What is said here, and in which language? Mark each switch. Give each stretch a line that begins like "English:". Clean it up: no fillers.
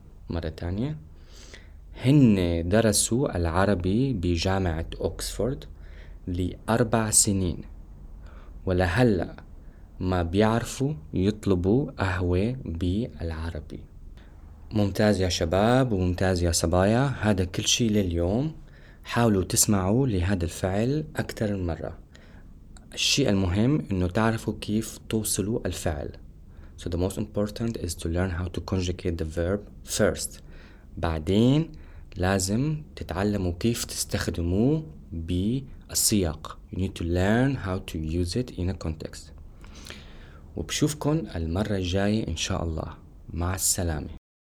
Arabic: مرة تانية، هن درسوا العربي بجامعة أوكسفورد لأربع سنين ولهلأ ما بيعرفوا يطلبوا قهوة بالعربي. ممتاز يا شباب وممتاز يا صبايا، هذا كل شيء لليوم. حاولوا تسمعوا لهذا الفعل أكثر من مرة. الشيء المهم إنه تعرفوا كيف توصلوا الفعل.
English: So the most important is to learn how to conjugate the verb first.
Arabic: بعدين لازم تتعلموا كيف تستخدموه بالسياق.
English: You need to learn how to use it in a context.
Arabic: وبشوفكن المرة الجاية إن شاء الله. مع السلامة.